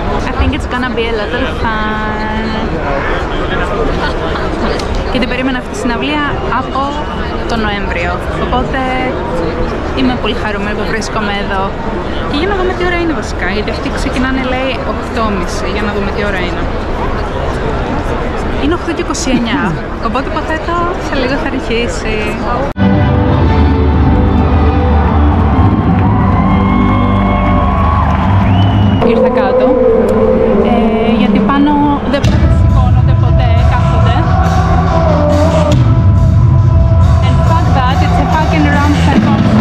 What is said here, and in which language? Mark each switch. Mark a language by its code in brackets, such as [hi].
[en] I think it's gonna be a little fun. [el] Και την περίμενα αυτή τη συναυλία από τον Νοέμβριο. Οπότε είμαι πολύ χαρούμενη που βρίσκομαι εδώ. Και για να δούμε τι ώρα είναι βασικά, γιατί αυτοί ξεκινάνε λέει 8.30, για να δούμε τι ώρα είναι. Είναι 8.29, οπότε υποθέτω σε λίγο θα αρχίσει. Ήρθα κάτω, γιατί πάνω δεν πρέπει να σηκώνονται ποτέ, κάθονται. [en] And fuck that, it's a fucking round circle.